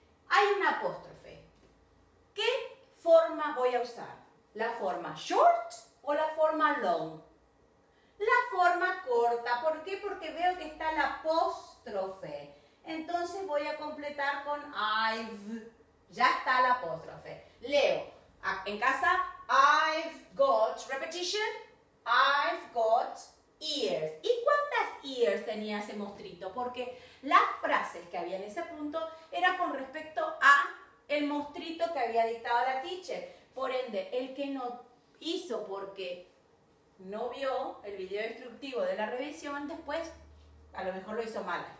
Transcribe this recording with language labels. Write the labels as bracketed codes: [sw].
[es] Hay una apóstrofe. ¿Qué forma voy a usar? ¿La forma short o la forma long? La forma corta. ¿Por qué? Porque veo que está la apóstrofe. Entonces voy a completar con I've. Ya está la apóstrofe. Leo, en casa, [en] I've got, repetition, I've got ears. [es] ¿Y cuántas ears tenía ese monstruito? Porque las frases que había en ese punto eran con respecto a el monstruito que había dictado la teacher. Por ende, el que no hizo porque no vio el video instructivo de la revisión, después a lo mejor lo hizo mal.